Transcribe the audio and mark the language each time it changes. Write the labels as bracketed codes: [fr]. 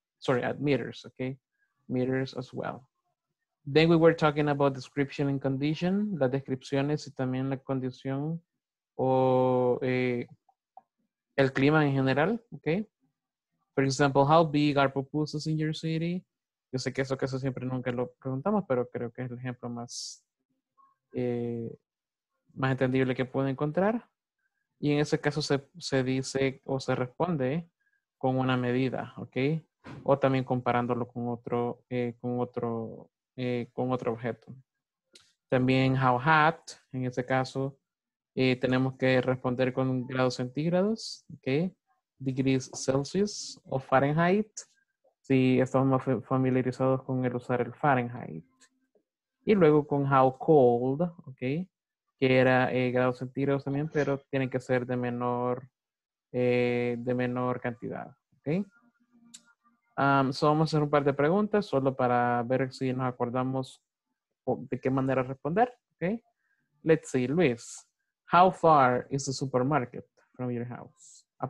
[en] Sorry, at meters, okay? Meters as well. Then we were talking about description and condition, [es] las descripciones y también la condición o el clima en general, [en] okay? For example, how big are pupusas in your city? [es] Yo sé que eso casi siempre nunca lo preguntamos, pero creo que es el ejemplo más... más entendible que puedo encontrar. Y en ese caso se dice o se responde con una medida, ¿ok? O también comparándolo con otro, con otro objeto. También how hot, en ese caso tenemos que responder con grados centígrados, ¿ok? [en] Degrees Celsius [es] o Fahrenheit, si estamos más familiarizados con el usar el Fahrenheit. Y luego con how cold, ok, que era grados centígrados también, pero tiene que ser de menor cantidad, ok. So vamos a hacer un par de preguntas solo para ver si nos acordamos de qué manera responder, ok. [en] Let's see, Luis, how far is the supermarket from your house?